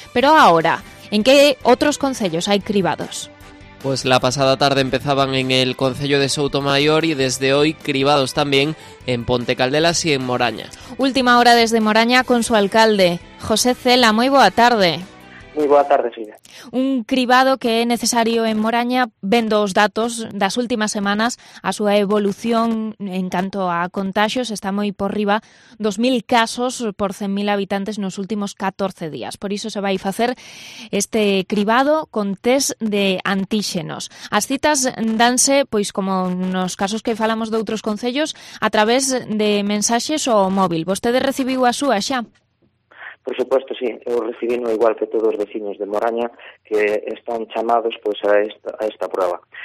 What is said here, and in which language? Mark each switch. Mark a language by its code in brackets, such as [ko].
[es] Pero ahora, ¿en qué otros concellos hay cribados? Pues la pasada tarde empezaban en el concello de Soutomaior y desde hoy cribados también en Ponte Caldelas y en Moraña. Última hora desde Moraña con su alcalde, José Cela. Muy buena tarde. [gl] Muy boa tarde, Silvia. Un cribado que é necesario en Moraña, vendo os datos das últimas semanas, a súa evolución en canto a contagios está moi por riba, 2.000 casos por 100.000 habitantes nos últimos 14 días. Por iso se vai facer este cribado con test de antíxenos. As citas danse, pois como nos casos que falamos de outros concellos, a través de mensaxes ou móvil. Vostede recibiu a súa xa? [es] Por supuesto, sí. [gl] Eu recibí, no igual que todos os vecinos de Moraña, que están chamados pues, a esta prueba.